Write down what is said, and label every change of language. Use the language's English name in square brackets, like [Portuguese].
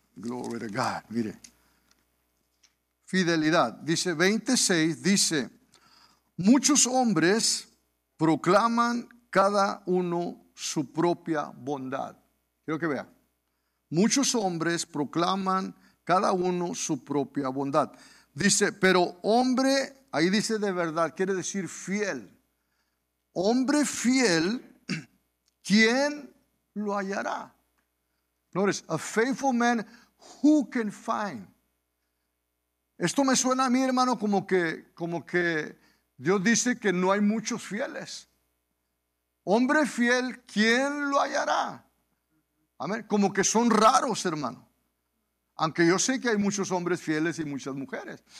[English] Glory to God, [Spanish] mire. Fidelidad, dice 26, dice, muchos hombres proclaman cada uno su propia bondad. Quiero que vea. Muchos hombres proclaman cada uno su propia bondad. Dice, pero hombre, ahí dice de verdad, quiere decir fiel. Hombre fiel, ¿quién lo hallará. [English] Notice, a faithful man, who can find? [Spanish] Esto me suena a mí, hermano, como que Dios dice que no hay muchos fieles. Hombre fiel, ¿quién lo hallará? Amén. Como que son raros, hermano. Aunque yo sé que hay muchos hombres fieles y muchas mujeres.